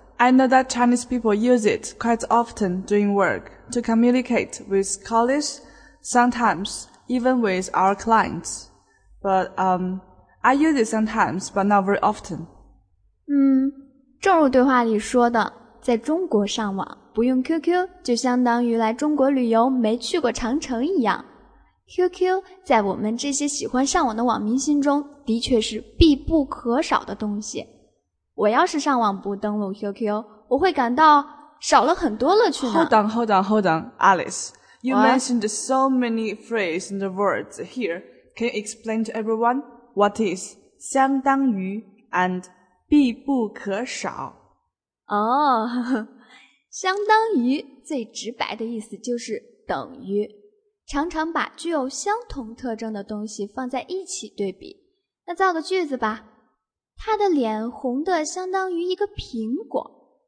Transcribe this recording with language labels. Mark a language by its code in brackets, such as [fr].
[en] I know that Chinese people use it quite often during work to communicate with colleagues, sometimes even with our clients. But, I use it sometimes, but not very often. [zh] 正如对话里说的，在中国上网，不用 QQ 就相当于来中国旅游没去过长城一样。 QQ 在我们这些喜欢上网的网民心中的确是必不可少的东西。我要是上网不登录 QQ， 我会感到少了很多乐趣呢。 [en] Hold on, Alice. You mentioned so many phrases and words here. Can you explain to everyone what is 相当于 and 必不可少？ [zh] 哦，相当于最直白的意思就是等于。常常把具有相同特征的东西放在一起对比。那造个句子吧。他的脸红得相当于一个苹果。